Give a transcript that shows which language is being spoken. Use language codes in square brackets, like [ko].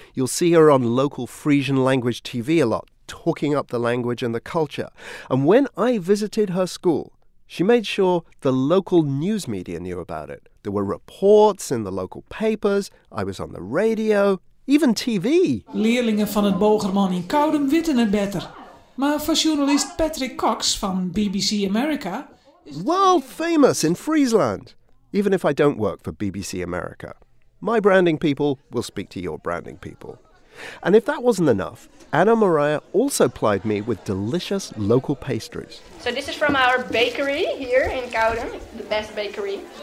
[en] You'll see her on local Frisian language TV a lot, talking up the language and the culture. And when I visited her school, she made sure the local news media knew about it. There were reports in the local papers, I was on the radio, even TV. [nl] Leerlingen van het Bogerman in Koudum weten het beter. Maar voor journalist Patrick Cox van BBC America... [en] World famous in Friesland. Even if I don't work for BBC America. My branding people will speak to your branding people. And if that wasn't enough, Anna Maria also plied me with delicious local pastries. So this is from our bakery here in Koudum, the best bakery.